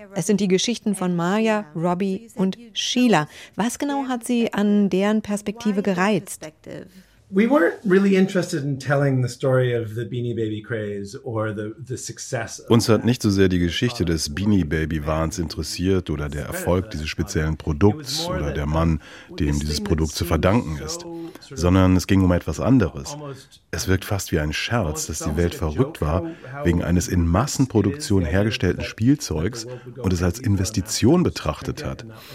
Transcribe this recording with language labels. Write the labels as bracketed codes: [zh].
[de] Es sind die Geschichten von Maya, Robbie und Sheila. Was genau hat sie an deren Perspektive gereizt? [en] We weren't really interested in telling the story of the Beanie Baby craze or the success. [de] Uns hat nicht so sehr die Geschichte des Beanie Baby Wahns interessiert oder der Erfolg dieses speziellen Produkts oder der Mann, dem dieses Produkt zu verdanken ist, sondern es ging um etwas anderes. Es wirkt fast wie ein Scherz, dass die Welt verrückt war wegen eines in Massenproduktion hergestellten Spielzeugs und es als Investition betrachtet hat.